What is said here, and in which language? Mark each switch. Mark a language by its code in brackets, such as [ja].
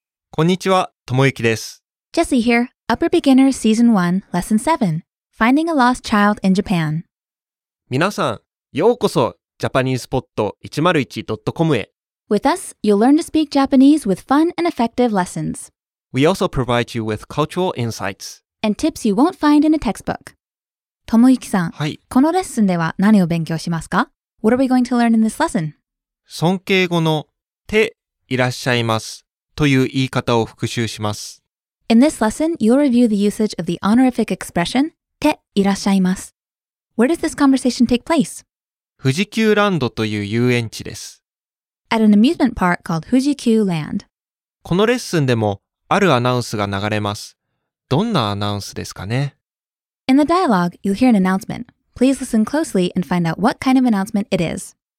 [ja] こんにちは、ともゆきです。 [en] Jesse here. Upper Beginner Season 1 Lesson 7 Finding a Lost Child in Japan。 [ja] みなさん、ようこそ、ジャパニーズポット 101.com へ。 [en] With us, you'll learn to speak Japanese with fun and effective lessons. We also provide you with cultural insights. And tips you won't find in a textbook. [ja] ともゆきさん、はい、このレッスンでは何を勉強しますか? [en] What are we going to learn in this lesson? [ja] 尊敬語の、ていらっしゃいますという言い方を復習します。 [en] In this lesson, you'll review the usage of the honorific expression, ていらっしゃいます。 Where does this conversation take place? [ja] 富士急ランドという遊園地です。 [en] At an amusement park called 富士急 Land. [ja] このレッスンでもあるアナウンスが流れます。どんなアナウンスですかね? [en] In the dialogue, you'll hear an announcement. Please listen closely and find out what kind of announcement it is.